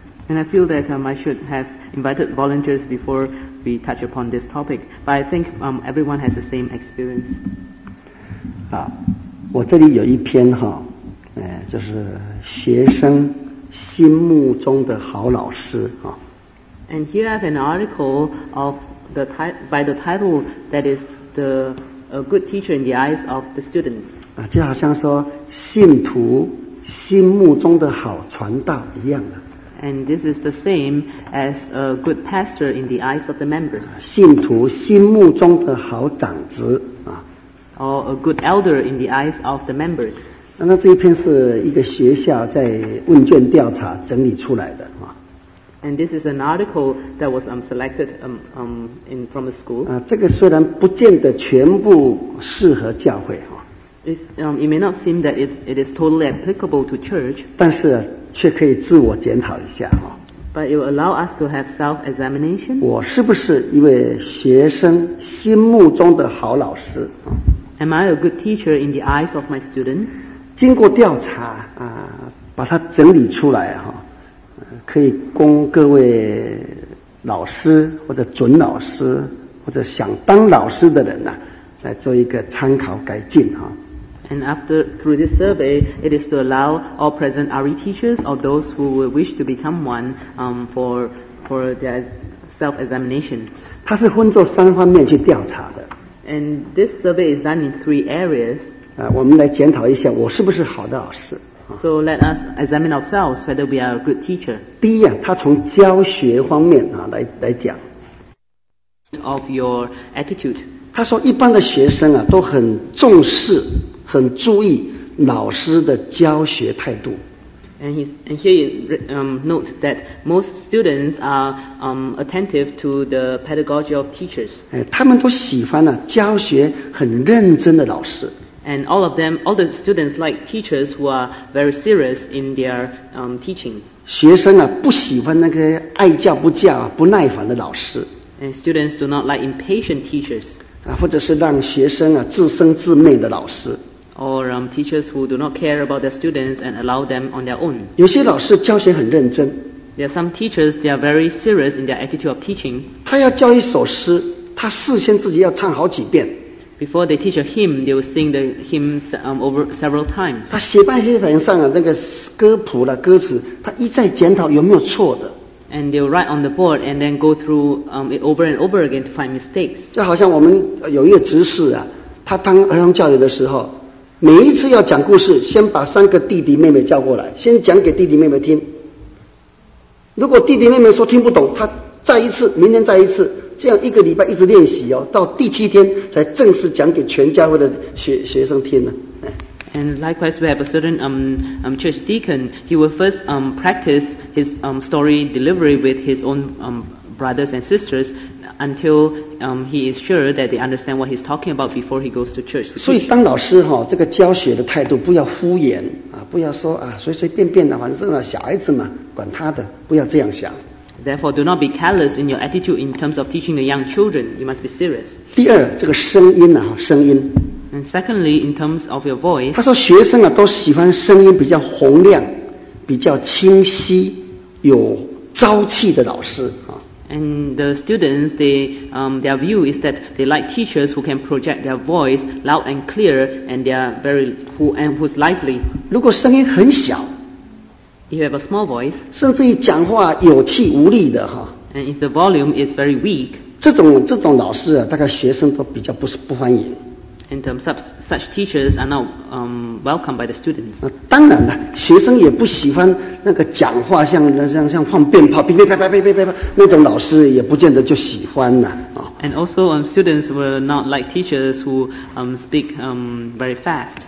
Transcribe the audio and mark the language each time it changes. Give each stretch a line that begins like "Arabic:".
English: And I feel that I should have invited volunteers before we touch upon this topic. But I think everyone has the same experience.
Chinese: 啊，我这里有一篇哈，就是学生心目中的好老师啊。
English: And here I have an article of the by the title that is the a good teacher in the eyes of the student.
Chinese: 啊，就好像说信徒心目中的好传道一样的。
English: And this is the same as a good pastor in the eyes of the members.
Chinese: 信徒心目中的好长子啊。
English: Or a good elder in the eyes of the members.
Chinese: 那这一篇是一个学校在问卷调查整理出来的啊。
English: And this is an article that was selected from a school.
Chinese: 啊，这个虽然不见得全部适合教会啊。
English: It may not seem that it is totally applicable to church.
Chinese: 但是。却可以自我检讨一下哈。
English: But it will allow us to have self-examination.
Chinese: 我是不是一位学生心目中的好老师
English: ？Am I a good teacher in the eyes of my student?
Chinese: 经过调查啊，把它整理出来哈，可以供各位老师或者准老师或者想当老师的人呐、来做一个参考改进哈。
English: And after through this survey, it is to allow all present RE teachers or those who will wish to become one for their self-examination.
Chinese: 它是分作三方面去调查的。
English: And this survey is done in three areas.
Chinese: 我们来检讨一下，我是不是好的老师
English: So let us examine ourselves whether we are a good teacher.
Chinese: 第一啊，他从教学方面啊来讲。
English: Of your attitude.
Chinese: 他说一般的学生啊都很重视、很注意老师的教学态度。
English: And here you note that most students are attentive to the pedagogy of teachers.
Chinese: 他们都喜欢呢、啊、教学很认真的老师。
English: And all of them, all the students like teachers who are very serious in their teaching.
Chinese: 学生啊不喜欢那个爱教不教、不耐烦的老师。
English: And students do not like impatient teachers.
Chinese: 啊，或者是让学生啊自生自灭的老师。
English: Or teachers who do not care about their students and allow them on their own.
Chinese: 有些老师教学很认真。
English: There are some teachers, they are very serious in their attitude of teaching.
Chinese: 他要教一首诗，他事先自己要唱好几遍。
English: Before they teach a hymn, they will sing the hymns over several times.
Chinese: 他写半黑板上啊那个歌谱了、歌词，他一再检讨有没有错的。
English: And they will write on the board and then go through it over and over again to find mistakes.
Chinese: 就好像我们有一个执事啊，他当儿童教育的时候。每一次要讲故事，先把三个弟弟妹妹叫过来，先讲给弟弟妹妹听。如果弟弟妹妹说听不懂，他再一次，明天再一次，这样一个礼拜一直练习哦，到第七天才正式讲给全教会的学生听呢。
English: And likewise, we have a certain church deacon. He will first practice his story delivery with his own brothers and sisters. Until he is sure that they understand what he's talking about before he goes to church.
Chinese: 所以当老师哈、哦，这个教学的态度不要敷衍啊，不要说啊随随便便的，反正啊小孩子嘛，管他的，不要这样想。
English: Therefore, do not be careless in your attitude in terms of teaching the young children. You must be serious.
Chinese: 第二，这个声音啊，声音。
English: And secondly, in terms of your voice.
Chinese: 他说学生啊都喜欢声音比较洪亮、比较清晰、有朝气的老师。
English: And the students, their view is that they like teachers who can project their voice loud and clear, and they are who's lively.
Chinese: 如果声音很小
English: you have a small voice,
Chinese: 甚至于讲话有气无力的哈
English: and if the volume is very weak,
Chinese: 这种老师啊，大概学生都比较不欢迎。
English: And such teachers are not welcomed by the students.
Chinese: 当然了，学生也不喜欢那个讲话像放鞭炮，噼噼啪啪啪啪啪啪那种老师，也不见得就喜欢呐。
English: And also, students will not like teachers who speak very fast.